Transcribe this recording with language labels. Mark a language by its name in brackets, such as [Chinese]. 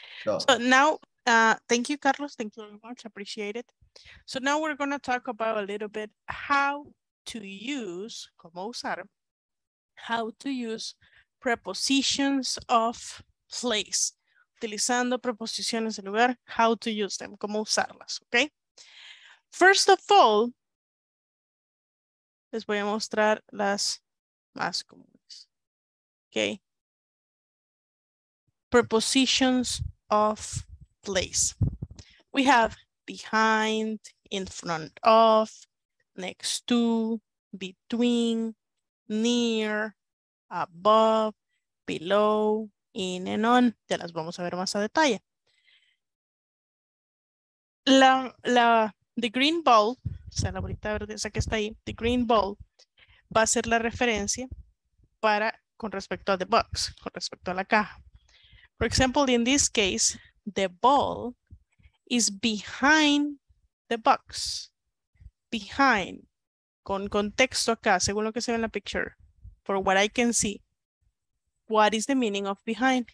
[English] So now, thank you, Carlos. Thank you very much. Appreciate it. So now we're going to talk about a little bit how to use, [Spanish] como usar, [English] how to use prepositions of place. [Spanish] Utilizando preposiciones de lugar, [English] how to use them, [Spanish] como usarlas, okay? [English] First of all, [Spanish] les voy a mostrar las más comunes. [English] Okay. Prepositions of place. We have behind, in front of, next to, between, near, above, below, in and on. [Spanish] Ya las vamos a ver más a detalle. [English] The green ball, [Spanish] o sea, la bolita verde esa que está ahí, [English] the green ball, [Spanish] va a ser la referencia para, con respecto a [English] the box, [Spanish] con respecto a la caja. [English] For example, in this case, the ball is behind the box. Behind. [Spanish] Con contexto acá, según lo que se ve en la picture. [English] For what I can see, what is the meaning of behind?